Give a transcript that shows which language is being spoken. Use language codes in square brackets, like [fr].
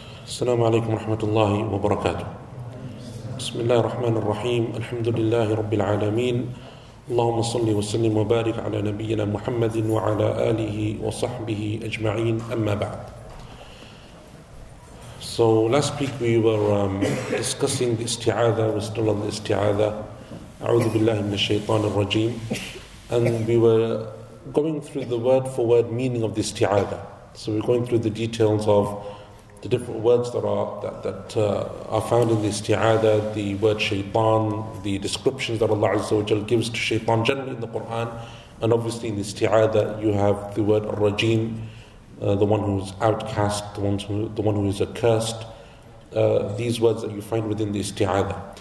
[ar] السلام عليكم ورحمة الله وبركاته. بسم الله الرحمن الرحيم. الحمد لله رب العالمين. اللهم صل وسلم وبارك على نبينا محمد وعلى آله وصحبه أجمعين. أما بعد. [en] So last week we were discussing the isti'adha, we still on the isti'adha. [ar] أعوذ بالله من الشيطان الرجيم. [en] And we were going through the word for word meaning of the isti'adha. So we're going through the details of the different words that are found in the isti'adha, the word shaytan, the descriptions that Allah Azza wa Jal gives to shaytan generally in the Qur'an, and obviously in the isti'adha you have the word ar-rajim, the one who is outcast, the one who is accursed, these words that you find within the isti'adha.